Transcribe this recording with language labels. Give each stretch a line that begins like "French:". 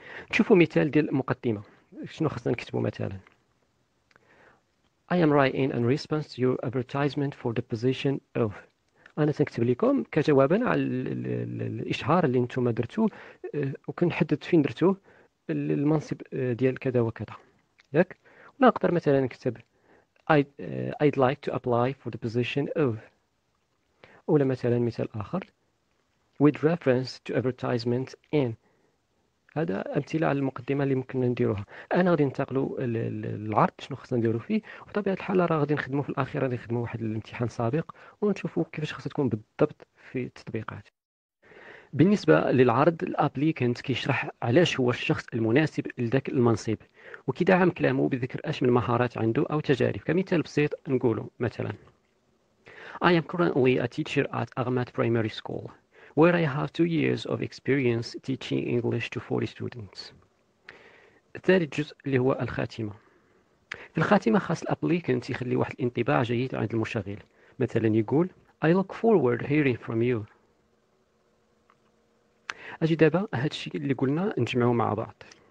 Arabic: نشوفوا مثال ديال المقدمة شنو خاصنا نكتبوا. مثلا
English: I am writing in response to your advertisement for the position of،
Arabic: انا تنكتب لكم كجوابا على الاشهار اللي انتم درتوه وكنحدد فين درتوه المنصب ديال كذا وكذا، ياك. ونقدر مثلا نكتب
English: I'd like to apply for the position of،
Arabic: ولا مثلا مثال اخر
English: with reference to advertisement in.
Arabic: هذا امثله على المقدمه اللي ممكن نديروها. انا غادي ننتقلوا للعرض شنو خصنا نديروا فيه، وبطبيعه الحال راه غادي نخدموا في الاخير، غادي نخدموا واحد الامتحان سابق ونشوفوا كيفاش خاصها تكون بالضبط في التطبيقات. بالنسبه للعرض الابليكانت كيشرح علاش هو الشخص المناسب لذاك المنصب وكيدعم كلامه بذكر اش من مهارات عنده او تجارب. كمثال بسيط نقوله مثلا
English: I am currently a teacher at Ahmad Primary School where I have 2 years of experience teaching English to 40 students.
Arabic: الثالث جزء اللي هو الخاتمة. في الخاتمة خاص الابليكانت يخلي واحد الانطباع جيد عند المشغل، مثلا يقول
English: I look forward hearing from you.
Arabic: اجي دابا هاد الشيء اللي قلنا نجمعه مع بعض.